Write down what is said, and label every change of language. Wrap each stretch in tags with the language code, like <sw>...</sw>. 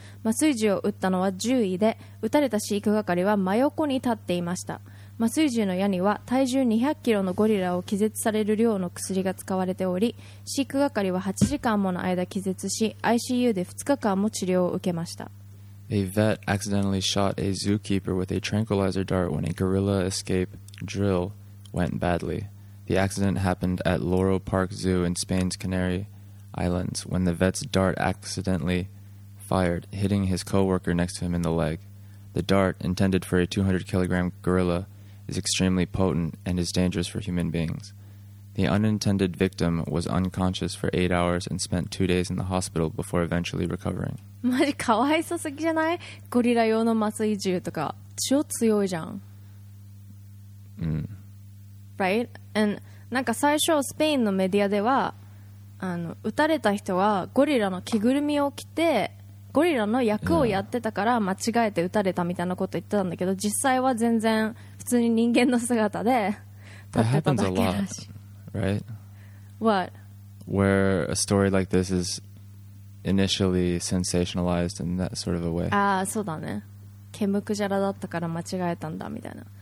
<ja>麻酔銃を撃ったのは獣医で、撃たれた飼育係は真横に立っていました。麻酔銃の矢には体重200キロのゴリラを気絶される量の薬が使われており、飼育係は8時間もの間気絶し、 ICU で2日間も治療を受けました。</ja> <en>A vet accidentally shot a zookeeper with a tranquilizer dart when a gorilla escape drill went badly. The accident happened at Loro Park Zoo in Spain's Canary Islands when the vet's dart accidentally fired, hitting his co-worker next to him in the leg. The dart, intended for a 200-kilogram gorilla, is extremely potent and is dangerous for human beings. The unintended victim was unconscious for 8 hours and spent 2 days in the hospital before eventually recovering.</en> <ja>マジかわいそすぎじゃない？ゴリラ用の麻酔銃とか超強いじゃん。うん。</ja> <en>Right?</en> <ja>And なんか最初スペインのメディアでは、あの撃たれた人はゴリラの着ぐるみを着てゴリラの役をやってたから間違えて撃たれたみたいなこと言ってたんだけど、実際は全然普通に人間の姿で立ってただけらしい。</ja> <en>That happens a lot, right? What? Where a story like this is. Initially sensationalized in that sort of a way.</en> <ja>Ah, そうだね。毛むくじゃらだったから間違えたんだみたいな。</ja>